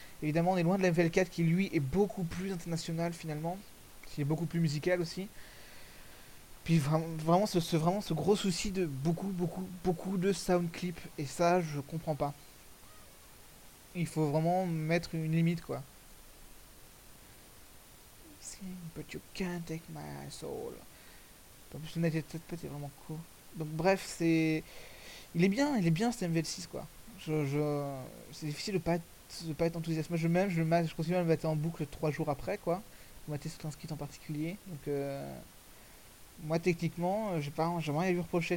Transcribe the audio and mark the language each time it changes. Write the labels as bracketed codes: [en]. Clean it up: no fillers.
[fr] Évidemment, on est loin de Level 4 qui, lui, est beaucoup plus international finalement, qui est beaucoup plus musical aussi. Puis vraiment, ce gros souci de beaucoup, beaucoup, beaucoup de sound clip. Et ça, je comprends pas. Il faut vraiment mettre une limite, quoi. [en] But you can't take my soul. [fr] En plus, on était peut-être vraiment cool. Donc, bref, c'est. Il est bien cet MVL6, quoi. C'est difficile de pas être enthousiaste. Je continue à le mater en boucle 3 jours après, quoi. Pour mater sur un skit en particulier. Donc, moi, techniquement, j'ai rien à lui reprocher.